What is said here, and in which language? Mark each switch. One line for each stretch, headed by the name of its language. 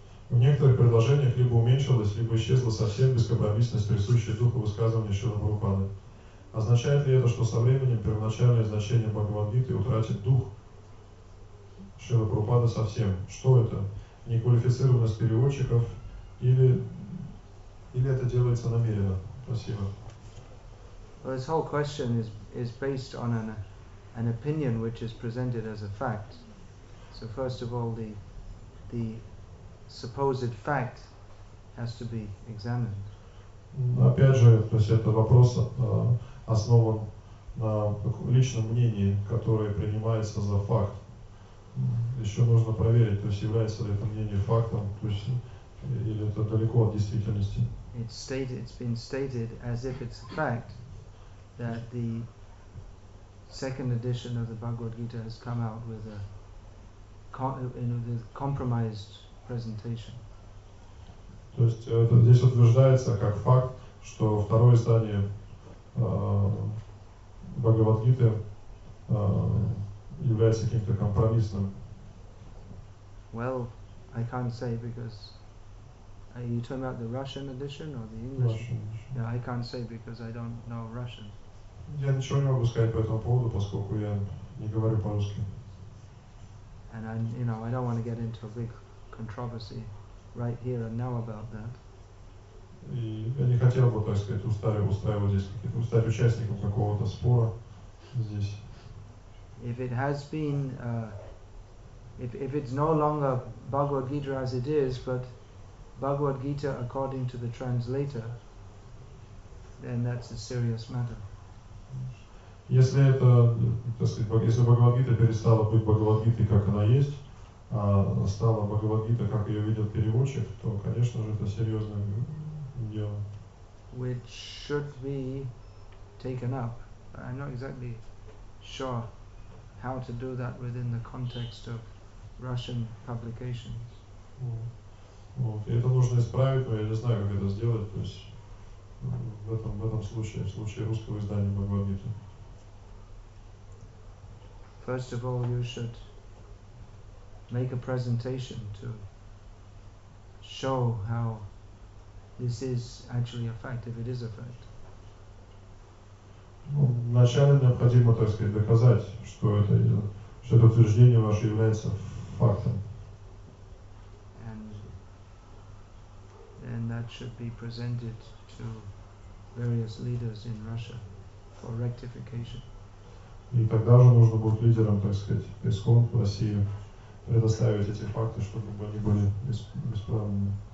Russian: В некоторых предложениях либо уменьшилась, либо исчезла совсем бескомпромиссность, присущая духу высказывания Шрилы Прабхупады. Означает ли это, что со временем первоначальное значение Бхагавад-гиты утратит дух Шрилы Прабхупады совсем? Что это? Неквалифицированность переводчиков или это делается намеренно? Спасибо.
English: Well, this whole question is based on an opinion which is presented as a fact. So first of all, the supposed fact has to be examined.
Russian: Опять же, то есть это вопрос основан на личном мнении, которое принимается за факт. Еще нужно проверить, то есть является ли это мнение фактом, то есть или это далеко от действительности.
English: It's been stated as if it's a fact that the second edition of the Bhagavad Gita has come out with a compromised presentation.
Russian: То есть это здесь утверждается как факт, что второе издание Бхагавад Гиты является каким-то компромиссным.
English: Well, I can't say because are you talking about the Russian edition or the English? Russian. Yeah, I can't say because I don't know Russian.
Russian: Я ничего не могу сказать по этому поводу, поскольку я не говорю по-русски.
English: And I, you know, I don't want to get into a big controversy right here and now about that.
Russian: И я не хотел бы, так сказать, устраивать здесь какие-то, стать участником какого-то спора здесь.
English: If it has been, if it's no longer Bhagavad Gita as it is, but Bhagavad Gita according to the translator, then that's a serious matter.
Russian: Если это, так сказать, если Бхагавад-гита перестала быть Бхагавад-гитой, как она есть, а стала Бхагавад-гита, как ее видел переводчик, то, конечно же, это серьезное дело.
English: Which should be taken up. I'm not exactly sure how to do that within the context of Russian publications.
Russian: Вот. Это нужно исправить, но я не знаю, как это сделать. То есть в этом случае, в случае русского издания Бхагавад-гиты.
English: First of all, you should make a presentation to show how this is actually a fact, if it is a fact.
Russian: Вначале необходимо, так сказать, доказать, что это утверждение ваше является фактом.
English: And then that should be presented to various leaders in Russia for rectification.
Russian: И тогда же нужно будет лидерам, так сказать, ПЕСКОМ в России предоставить эти факты, чтобы они были бесправными.